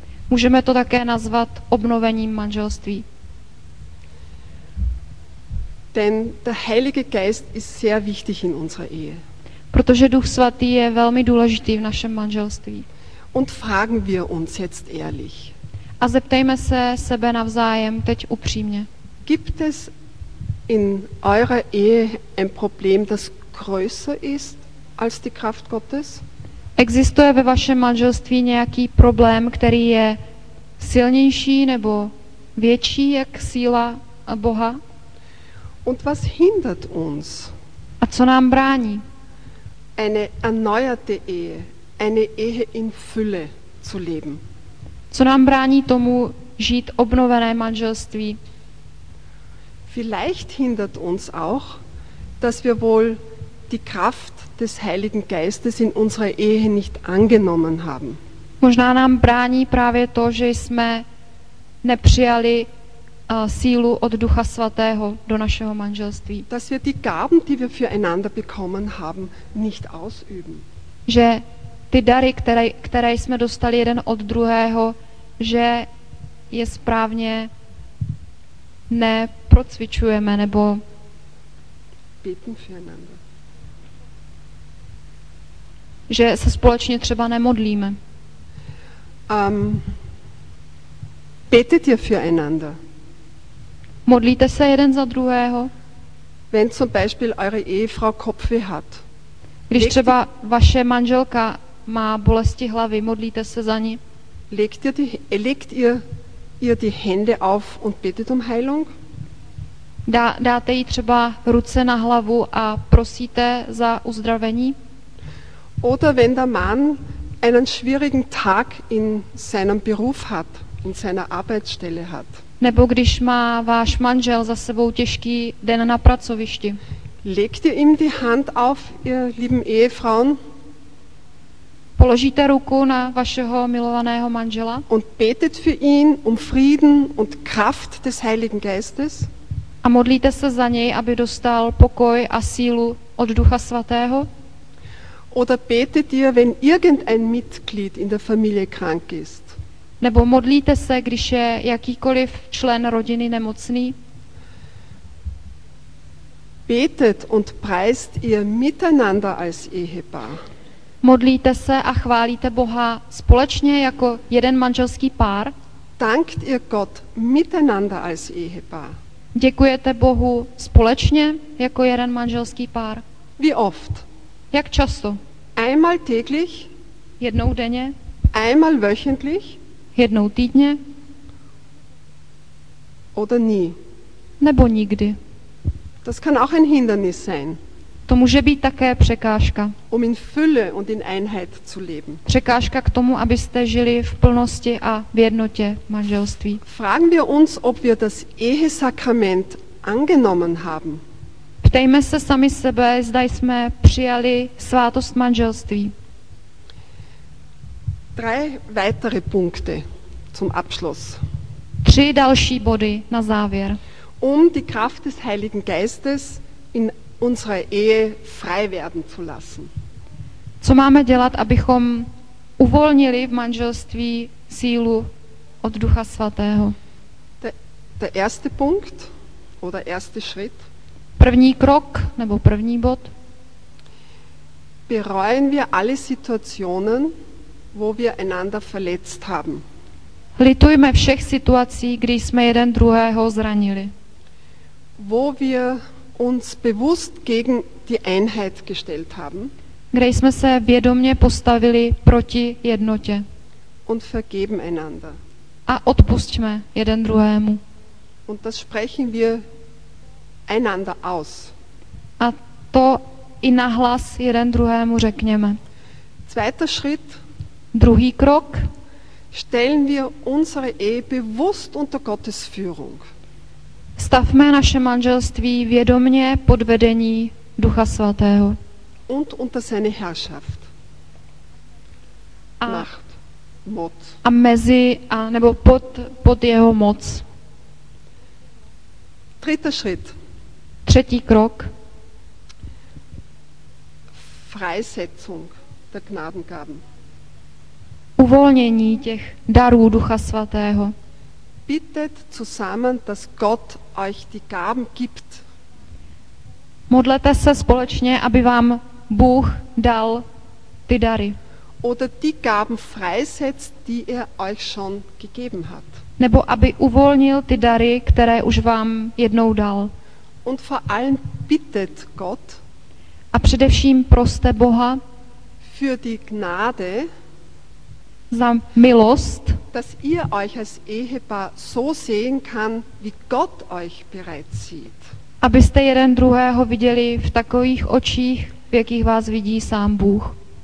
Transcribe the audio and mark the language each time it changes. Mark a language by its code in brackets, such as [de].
[cs] Můžeme to také nazvat obnovením manželství. [de] Denn der Heilige Geist ist sehr wichtig in unserer Ehe. [cs] Protože Duch Svatý je velmi důležitý v našem manželství. [de] Und fragen wir uns jetzt ehrlich. [cs] A zeptejme se sebe navzájem teď upřímně. [de] Gibt es in eurer Ehe ein Problem, das größer ist als die Kraft Gottes? [cs] Existuje ve vašem manželství nějaký problém, který je silnější nebo větší jak síla Boha? [de] Und was hindert uns? [cs] A co nám brání? [de] Eine erneuerte Ehe, eine Ehe in Fülle zu leben. [cs] Co nám brání tomu žít obnovené manželství? [de] Vielleicht hindert uns auch, dass wir wohl die Kraft des Heiligen Geistes in unserer Ehe nicht angenommen haben. [cs] Možná nám brání právě to, že jsme nepřijali sílu od Ducha Svatého do našeho manželství. [de] Dass wir die Gaben, die wir füreinander bekommen haben, nicht ausüben. [cs] Že ty dary, které jsme dostali jeden od druhého, že je správně neprocvičujeme nebo [de] beten füreinander. [cs] Že se společně třeba nemodlíme. [de] Betet ihr füreinander? [cs] Modlíte se jeden za druhého? [de] Wenn zum Beispiel eure Ehefrau Kopfweh hat. [cs] Když třeba vaše manželka má bolesti hlavy, modlíte se za ní? [de] Legt ihr die Hände auf und betet um Heilung? [cs] Dáte jí třeba ruce na hlavu a prosíte za uzdravení? [de] Oder wenn der Mann einen schwierigen Tag in seinem Beruf hat, in seiner Arbeitsstelle hat. [cs] Nebo když má váš manžel za sebou těžký den na pracovišti. [de] Legt ihr ihm die Hand auf, ihr lieben Ehefrauen? [cs] Položíte ruku na vašeho milovaného manžela? [de] Und betet für ihn um Frieden und Kraft des Heiligen Geistes? [cs] A modlíte se za něj, aby dostal pokoj a sílu od Ducha Svatého? [de] Oder betet ihr, wenn irgendein Mitglied in der Familie krank ist? [cs] Nebo modlíte se, když je jakýkoliv člen rodiny nemocný? [de] Betet und preist ihr miteinander als Ehepaar. [cs] Modlíte se a chválíte Boha společně jako jeden manželský pár? [de] Dankt ihr Gott miteinander als Ehepaar. [cs] Děkujete Bohu společně jako jeden manželský pár? [de] Wie oft? [cs] Jak často? [de] Einmal täglich? [cs] Jednou denně? [de] Einmal wöchentlich? [cs] Jednou týdně? [de] Oder nie? [cs] Nebo nikdy? [de] Das kann auch ein Hindernis sein. [cs] To může být také překážka. [de] Um in Fülle und in Einheit zu leben. [cs] Překážka k tomu, abyste žili v plnosti a v jednotě manželství. [de] Fragen wir uns, ob wir das Ehesakrament angenommen haben. [cs] Ptejme se sami sebe, zda jsme přijali svátost manželství. [de] Drei weitere Punkte zum Abschluss. [cs] Tři další body na závěr. [de] Um die Kraft des Heiligen Geistes in unserer Ehe frei werden zu lassen. [cs] Co máme dělat, abychom uvolnili v manželství sílu od Ducha Svatého? [de] Der erste Punkt oder erste Schritt. [cs] První krok nebo první bod. [de] Bereuen wir alle Situationen, wo wir einander verletzt haben. [cs] Litujme všech situací, kdy jsme jeden druhého zranili. [de] Wo wir uns bewusst gegen die Einheit gestellt haben. [cs] Kde jsme se vědomě postavili proti jednotě. [de] Und vergeben einander. [cs] A odpusťme jeden druhému. [de] Und das sprechen wir einander aus. [cs] A to i nahlas jeden druhému řekněme. [de] Zweiter Schritt. [cs] Druhý krok. [de] Stellen wir unsere Ehe bewusst unter Gottes Führung. [cs] Stavme naše manželství vědomně pod vedení Ducha Svatého. [de] Und unter seine Herrschaft. [cs] A, [de] Macht, moc. [cs] A mezi, a, nebo pod jeho moc. [de] Dritter Schritt. [cs] Třetí krok. [de] Freisetzung der Gnadengaben. [cs] Uvolnění těch darů Ducha Svatého. [de] Bittet zusammen, dass Gott euch die Gaben gibt. [cs] Modlete se společně, aby vám Bůh dal ty dary. [de] Oder die Gaben freisetzt, die er euch schon gegeben hat. [cs] Nebo aby uvolnil ty dary, které už vám jednou dal. [de] Und vor allem bittet Gott. [cs] A především proste Boha. [de] Für die Gnade. [cs] Za milost, [de] dass ihr euch als Ehepaar so sehen kann, wie Gott euch bereits sieht. [cs] Abyste jeden druhého viděli v takových očích, v jakých vás vidí sám Bůh.